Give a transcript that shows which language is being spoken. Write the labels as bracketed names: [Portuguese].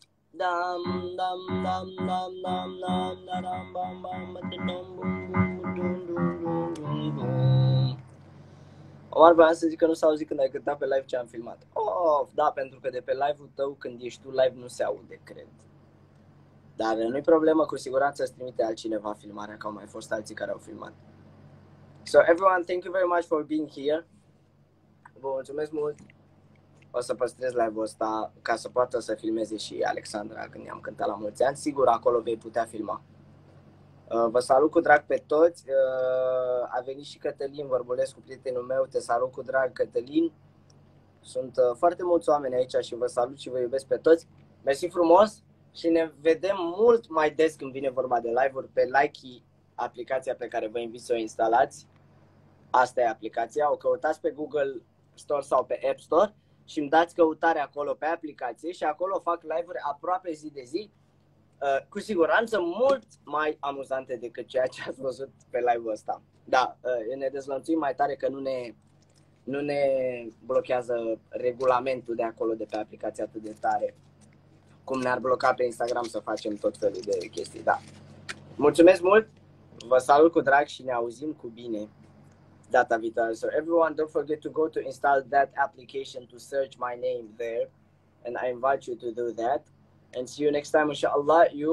[Romanian] Dam, dam, dam, dam, dam, dam, dam, dam, dam, dam, dam, dam, dam, dam, dam, dam, dam, dam, dam, dam. Omar, vreau să zic că nu s-a auzit când ai cântat pe live ce am filmat. Of, da, pentru că de pe live-ul tău, când ești tu live, nu se aude, cred. Dar nu-i problemă, cu siguranță îți trimite altcineva filmarea, că au mai fost alții care au filmat. [English] So, everyone, thank you very much for being here. [Romanian] Vă mulțumesc mult. O să păstrez live-ul ăsta ca să poată să filmeze și Alexandra când i-am cântat la mulți ani. Sigur, acolo vei putea filma. Vă salut cu drag pe toți. A venit și Cătălin Vorbulescu, prietenul meu. Te salut cu drag, Cătălin. Sunt foarte mulți oameni aici și vă salut și vă iubesc pe toți. Mersi frumos și ne vedem mult mai des când vine vorba de live-uri pe Likee, aplicația pe care vă invit să o instalați. Asta e aplicația. O căutați pe Google Store sau pe App Store și îmi dați căutare acolo pe aplicație și acolo fac live-uri aproape zi de zi. Cu siguranță mult mai amuzante decât ceea ce ați văzut pe live-ul ăsta. Da, ne dezlănțuim mai tare că nu ne blochează regulamentul de acolo, de pe aplicație, atât de tare cum ne-ar bloca pe Instagram să facem tot felul de chestii, da. Mulțumesc mult, vă salut cu drag și ne auzim cu bine data viitoare. [English] So everyone, don't forget to go to install that application to search my name there, and I invite you to do that. And see you next time, inshallah.